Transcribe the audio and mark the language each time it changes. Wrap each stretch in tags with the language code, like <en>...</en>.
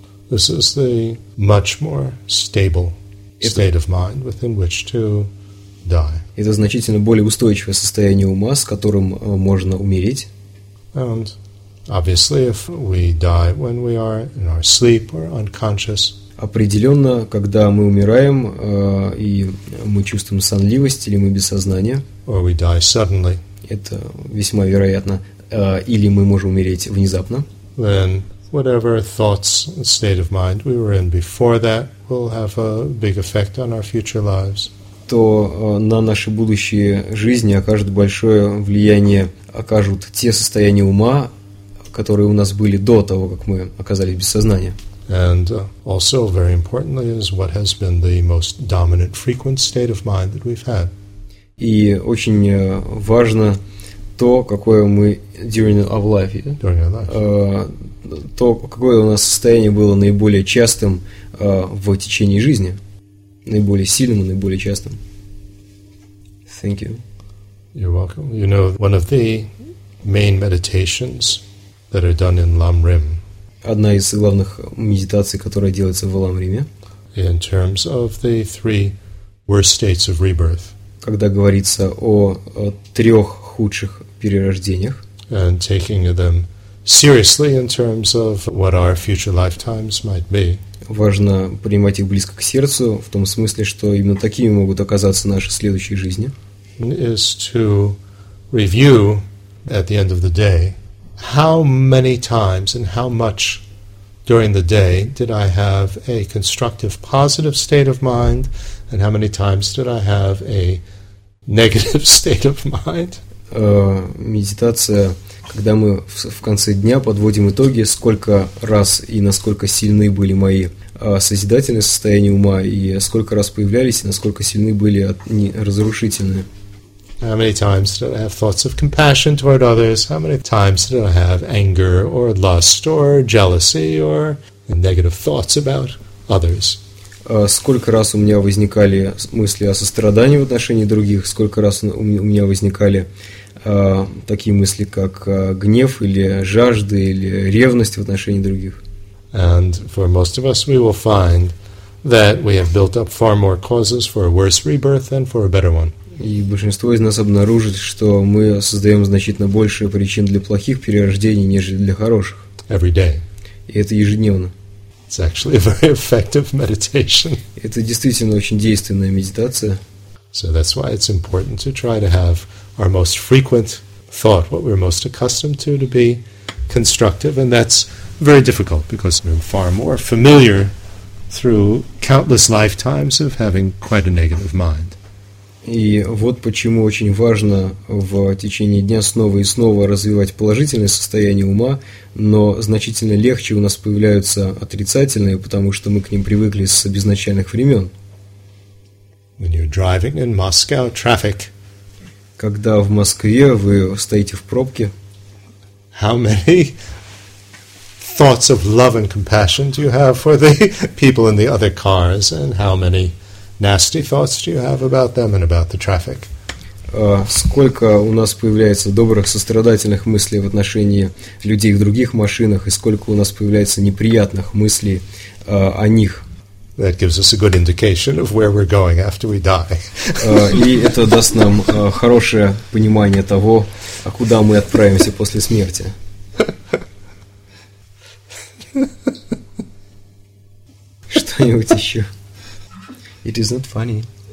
<en>This is the much more stable state of mind within which to die.</en> <ru>Это значительно более устойчивое состояние ума, с которым можно умереть.</ru> <en>And obviously, if we die when we are in our sleep or unconscious,</en> <ru>определенно, когда мы умираем, и мы чувствуем сонливость, или мы без сознания,</ru> <en>or we die suddenly,</en> <ru>это весьма вероятно, или мы можем умереть внезапно,</ru> <en>then whatever thoughts and state of mind we were in before that will have a big effect on our future lives.</en> <ru>То на наши будущие жизни окажет большое влияние, окажут те состояния ума, которые у нас были до того, как мы оказались без сознания.</ru> <en>And also, very importantly, is what has been the most dominant frequent state of mind that we've had.</en> <ru>И очень важно то, какое мы то, какое у нас состояние было наиболее частым в течение жизни, наиболее сильным, наиболее частым.</ru> <en>Thank you. You're welcome. You know, one of the main meditations that are done in Lam Rim.</en> <ru>Одна из главных медитаций, которая делается в Ламриме.</ru> <en>In terms of the three worst states of rebirth.</en> <ru>Когда говорится о трех худших перерождениях.</ru> <en>And taking them seriously in terms of what our future lifetimes might be.</en> <ru>Важно принимать их близко к сердцу, в том смысле, что именно такими могут оказаться наши следующие жизни.</ru> <en>Is to review at the end of the day. How many times and how much during the day did I have a constructive, positive state of mind, and how many times did I have a negative state of mind?</en> <ru>Медитация, когда мы в конце дня подводим итоги, сколько раз и насколько сильны были мои созидательные состояния ума, и сколько раз появлялись, и насколько сильны были разрушительные.</ru> <en>How many times did I have thoughts of compassion toward others? How many times did I have anger or lust or jealousy or negative thoughts about others?</en> <ru>Сколько раз у меня возникали мысли о сострадании в отношении других? Сколько раз у меня возникали такие мысли, как гнев или жажда или ревность в отношении других?</ru> <en>And for most of us, we will find that we have built up far more causes for a worse rebirth than for a better one.</en> <ru>И большинство из нас обнаружит, что мы создаем значительно больше причин для плохих перерождений, нежели для хороших.</ru> <en>Every day.</en> <ru>И это ежедневно.</ru> <en>It's actually a very effective meditation.</en> <ru>Это действительно очень действенная медитация.</ru> <en>So that's why it's important to try to have our most frequent thought, what we're most accustomed to be constructive, and that's very difficult because we're far more familiar through countless lifetimes of having quite a negative mind.</en> <ru>И вот почему очень важно в течение дня снова и снова развивать положительное состояние ума, но значительно легче у нас появляются отрицательные, потому что мы к ним привыкли с безначальных времен.</ru> <en>When you're driving in Moscow, traffic.</en> <ru>Когда в Москве вы стоите в пробке,</ru> <en>how many thoughts of love and compassion do you have for the people in the other cars, and how many nasty thoughts do you have about them and about the traffic?</en> <ru>Сколько у нас появляется добрых сострадательных мыслей в отношении людей в других машинах, и сколько у нас появляется неприятных мыслей о них?</ru> <en>That gives us a good indication of where we're going after we die.</en> <ru>И это даст нам хорошее понимание того, куда мы отправимся после смерти. Что-нибудь еще?</ru> <en>It is not funny.</en>